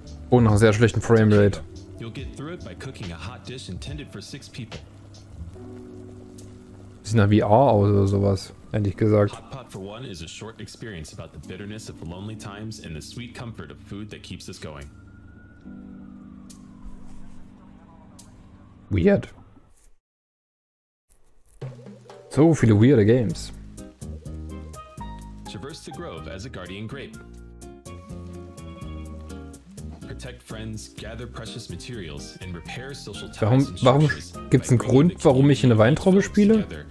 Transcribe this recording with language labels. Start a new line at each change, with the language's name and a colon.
German: Oh, nach einer sehr schlechten Framerate.
English: You'll get through it by cooking a hot dish intended for six people.
German: Sieht nach VR aus oder sowas, ehrlich gesagt.
English: Hot Pot for One is a short experience about the bitterness of lonely times and the sweet comfort of food that keeps us going. Weird.
German: So viele weirde Games.
English: Traverse the Grove as a guardian grape. Protect friends, gather precious materials and repair social ties.
German: Warum gibt's einen Grund, warum ich eine Weintraube spiele?